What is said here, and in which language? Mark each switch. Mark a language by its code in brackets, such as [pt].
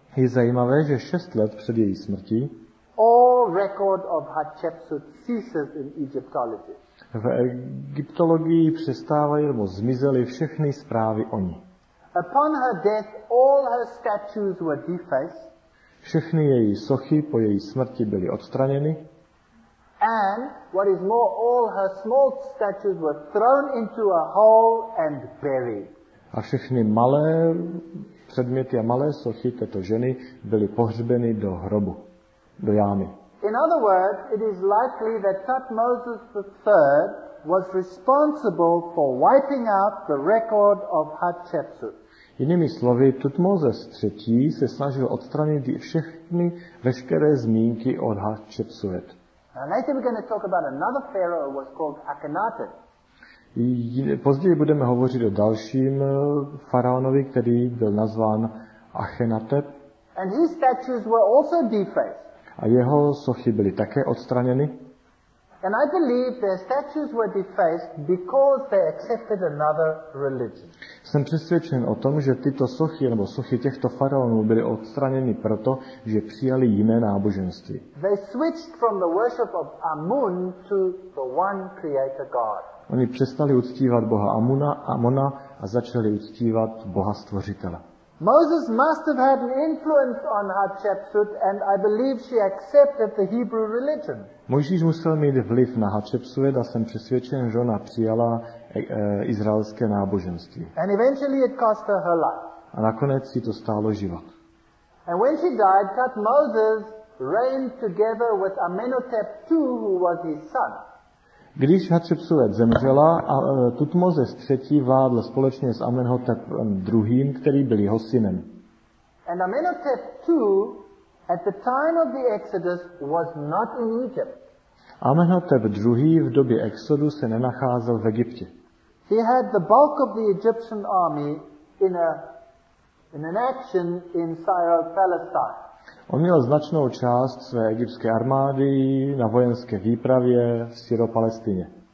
[cs] Je zajímavé, že 6 let před její smrtí. [en] All record of Hatshepsut ceases in Egyptology. [cs] V egyptologii přestávají nebo zmizely všechny zprávy o ní. [en] Upon her death, all her statues were defaced. [cs] Všechny její sochy po její smrti byly odstraněny. [en] And what is more, all her small statues were thrown into a hole and buried. [cs] A všechny malé předměty a malé sochy této ženy byly pohřbeny do hrobu. Do jámy. [en] In other words, it is likely that Thutmose III was responsible for wiping out the record of Hatshepsut. [cs] Jinými slovy, Thutmoses III se snažil odstranit všechny veškeré zmínky od Hatshepsut. [en] And later we're going to talk about another pharaoh who was called Akhenaten. [cs] Později budeme hovořit o dalším faraonovi, který byl nazván Akhenaten. [en] And his statues were also defaced. [cs] A jeho sochy byly také odstraněny. [en] And I believe their statues were defaced because they accepted another religion. [cs] Jsem přesvědčen o tom, že tyto sochy nebo sochy těchto faraonů byly odstraněny proto, že přijali jiné náboženství. [en] They switched from the worship of Amun to the one creator God. [cs] Oni přestali uctívat boha Amona a začali uctívat boha stvořitele. [en] Moses must have had an influence on Hatshepsut and I believe she accepted the Hebrew religion. [cs] Mojžíš musel mít vliv na Hatshepsut a jsem přesvědčen, že ona přijala izraelské náboženství. [en] And eventually it cost her life. [cs] A nakonec si to stálo život. [en] And when she died, Thutmoses reigned together with Amenhotep II, who was his son. [cs] Když Hatshepsut zemřela, Tutmozes III vládl společně s Amenhotepem II, který byl jeho synem. [en] And Amenhotep II at the time of the Exodus was not in Egypt. [cs] Amenhotep II. V době exodu se nenacházel v Egyptě. [en] He had the bulk of the Egyptian army in an action in Syro-Palestine. [cs] On měl značnou část své egyptské armády na vojenské výpravě v Syro-Palestině.